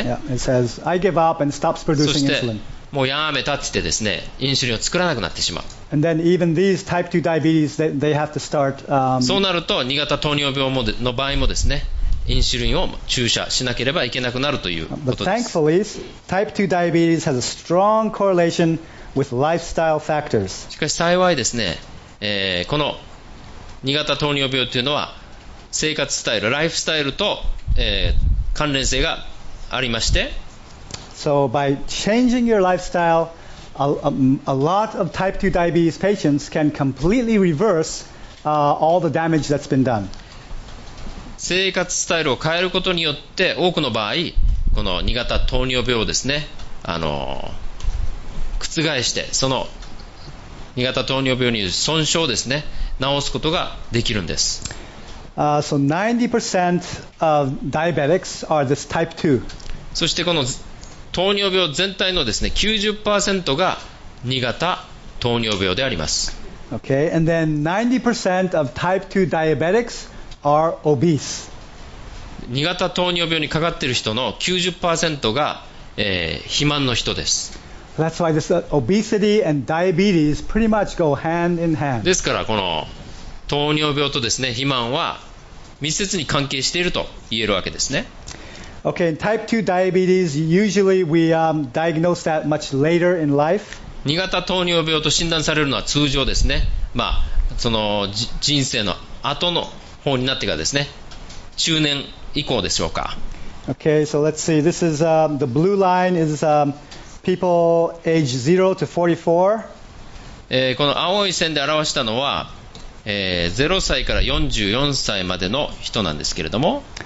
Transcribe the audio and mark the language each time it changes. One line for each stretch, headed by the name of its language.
English: Yeah, it says I give up and stops producing insulin.
Japanese: そしてもうやめたってですね、インシュリンを作らなくなってしまう。
English: And then even these type 2 diabetes, they have to start.
Japanese: そうなると2型糖尿病の場合もですね、インシュリンを注射しなければいけなくなるということです。
English: But thankfully, type 2 diabetes has a strong correlation with lifestyle factors.
Japanese: しかし幸いですね、この2型糖尿病というのは生活スタイル、ライフスタイルと、関連性がありまして。
English: So by changing your lifestyle, a lot of type 2 diabetes patients can completely reverse all the damage that's been done.
Japanese: 生活スタイルを変えることによって多くの場合、この2型糖尿病をですね、覆してその2型糖尿病による損傷をですね、治すことができるんです。
English: So 90% of diabetics are this type 2.
Japanese: そしてこの糖尿病全体のですね、90% が2型糖尿病であります。
English: Okay, and then 90% of type 2 diabetics are obese.
Japanese: 2型糖尿病にかかっている人の 90% が、肥満の人です。
English: That's why this obesity and diabetes pretty much go hand in hand.
Japanese: ですからこの糖尿病とですね、肥満は密接に関係していると言えるわけですね。
English: Okay, type 2 diabetes, usually we diagnose that much later in life.
Japanese: 2型糖尿病と診断されるのは通常ですね、まあ、その人生の後の方になってからですね、中年以降でしょうか。
English: Okay, so let's see. This is the blue line is people age 0 to 44.
Japanese: この青い線で表したのは、0歳から44歳までの人なんですけれども。